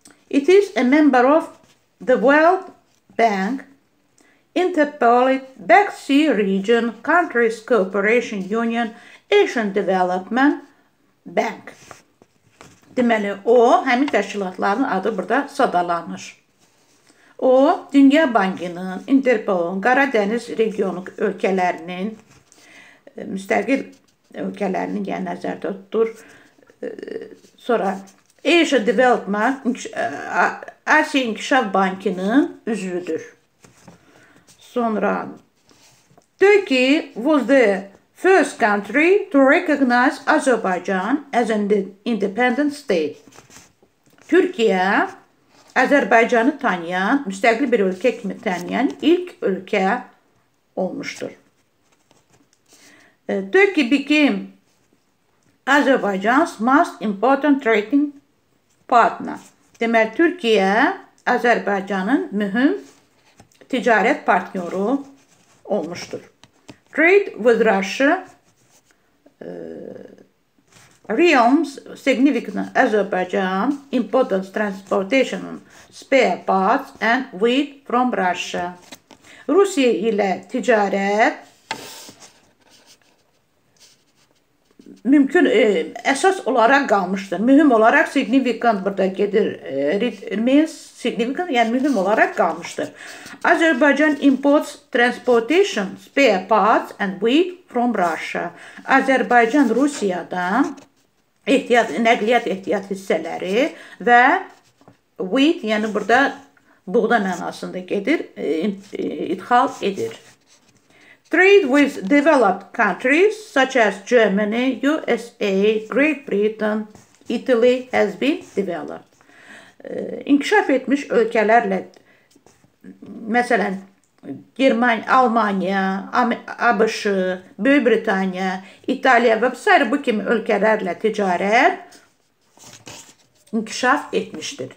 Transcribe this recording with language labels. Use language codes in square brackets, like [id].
[en] It is a member of the World Bank, Interpol, Black Sea Region, Countries Cooperation Union, Asian Development Bank. [az] Deməli, o, həmin təşkilatların adı burada sadalanır. O, Dünya Bankının, Interpol'un, Qara Dəniz regionu ölkələrinin, müstəqil ölkələrinin yəni nəzərdə tutur. Sonra Asia Development, Asiya İnkişaf Bankının üzvüdür. Sonra, [en] Turkey was the first country to recognize Azerbaijan as an independent state. [az] Türkiyə, Azərbaycanı tanıyan, müstəqil bir ölkə kimi tanıyan ilk ölkə olmuşdur. [en] Turkey became Azerbaijan's most important trading partner. [az] Deməli, Türkiyə Azərbaycanın mühüm ticarət partnyoru olmuşdur. [en] Trade with Russia realms significant Azerbaijan importance transportation spare parts and wheat from Russia. [az] Rusiya ilə ticarət mümkün əsas olaraq qalmışdır. Mühüm olaraq significant burada gedir. Means significant, yəni mühüm olaraq qalmışdır. [en] Azerbaijan imports transportation spare parts and wheat from Russia. [az] Azerbaycan Rusiyadan ehtiyat, nəqliyyat ehtiyat hissələri və wheat, yəni burada buğda mənasında gedir, idxal edir. [en] Trade with developed countries such as Germany, USA, Great Britain, Italy has been developed. [az] İnkişaf etmiş ölkələrlə, məsələn, Almanya, ABŞ, Böyük Britaniya, İtaliya və s. bu kimi ölkələrlə ticarət inkişaf etmişdir.